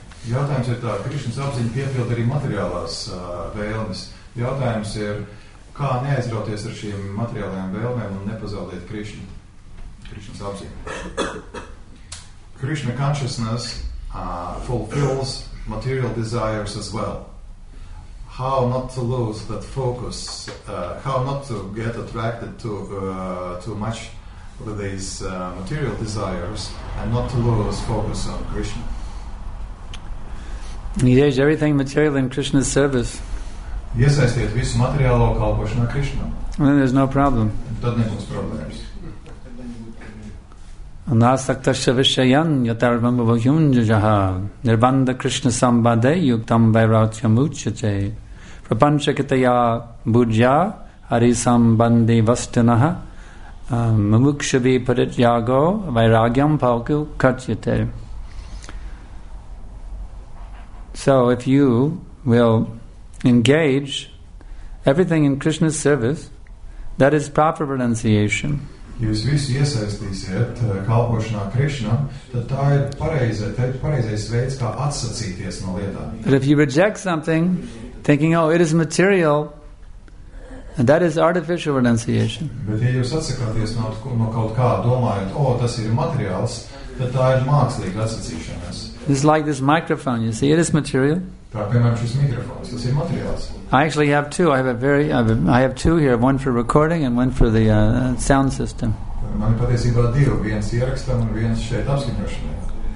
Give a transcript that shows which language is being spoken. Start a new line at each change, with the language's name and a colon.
Latvian: Ятаемс ir tā, Krishnas apziņa piepild arī materiālās vēlmes. Ятаемс ir, kā neaizrauties ar šīm materiālajām vēlmēm un nepazaudēt Krishnu. Krishnas apziņa.
English: Krishna consciousness fulfills material desires as well. How not to lose that focus, how not to get attracted to too much with these material desires and not to lose focus on Krishna. Engage everything material in Krishna's service.
Latvian: Iesaistiet visu materiālo kalpošanā Krishna.
English: And then there's no problem.
Latvian: Tad nebūs problēmas.
Sanskrit: Nāsaktaśya viṣayaṁ yatarvam bhavyum jajaha nirbandha krishna sambade yuktam vairācyam uchyate prapanchakataya bhujya hari sambandhi vastinaha mumukṣavi parityāgo vairāgyam bhavyum uchyate.
English: So if you will engage everything in Krishna's service, that is proper renunciation.
Latvian: Jūs visu iesaistīsiet kalpošanā Krishna, tad tā ir pareizais veids, kā atsacīties no lietām.
English: But if you reject something, thinking, oh, it is material, and that is artificial renunciation.
Latvian: Bet ja jūs atsakāties no kaut kā, domājot, oh, tas ir materiāls, tad tā ir mākslīga atsacīšanās.
English: It's like this microphone, you see, it is material.
Latvian: Tā, piemēram, šis mikrofons, tas ir materiāls.
English: I actually have two. I have two here, one for recording and one for the sound system.
Latvian: Man patiesībā divi, viens ierakstam un viens šeit apskaņošanai.